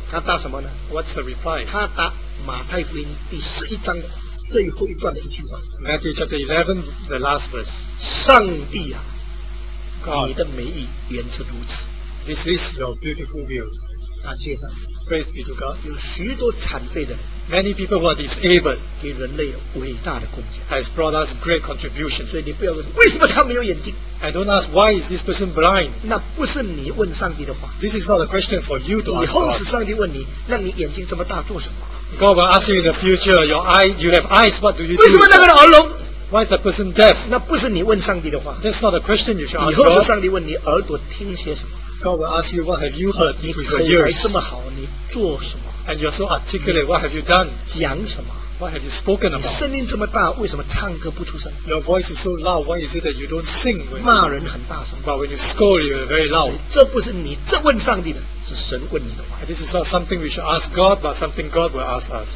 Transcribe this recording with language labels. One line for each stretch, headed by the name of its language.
Chinese: 他答什么呢
English: ？What's the reply？
Chinese: 他答马太福音第十一章最后一段的一句话。
English: Matthew chapter 11, the last verse.
Chinese: 上帝啊
English: ，God，
Chinese: 你的美意原是如此。
English: This is your beautiful will.
Chinese: 感谢上帝。
English: Praise be to God.
Chinese: 有许多残废的。
English: Many people who are disabled
Chinese: 给人类伟大的贡献
English: has brought us great contribution.
Chinese: 所以你不要问为什么他没有眼睛
English: And don't ask why is this person blind.
Chinese: 那不是你问上帝的话
English: This is not a question for you to ask.
Chinese: 以后是上帝问你，让你眼睛这么大做什么
English: ？God will ask you in the future. Your eyes, you have eyes. What do you do?
Chinese: 为什么那个人耳聋
English: ？Why is that person deaf?
Chinese: 那不是你问上帝的话。
English: That's not a question you should ask.
Chinese: 以后是上帝问你耳朵听些什么
English: ？God will ask you what have you heard with your ears.
Chinese: 你口才这么好，你做什么？
English: And you're so articulate. What have you done?
Chinese: 讲什么
English: ？What have you spoken about?
Chinese: 你声音这么大，为什么唱歌不出声
English: ？Your voice is so loud. Why is it that you don't sing?
Chinese: 骂人很大声。
English: But when you scold, you're very loud.
Chinese: 这不是你，这问上帝的，是神问你的话。
English: This is not something we should ask God, but something God will ask us.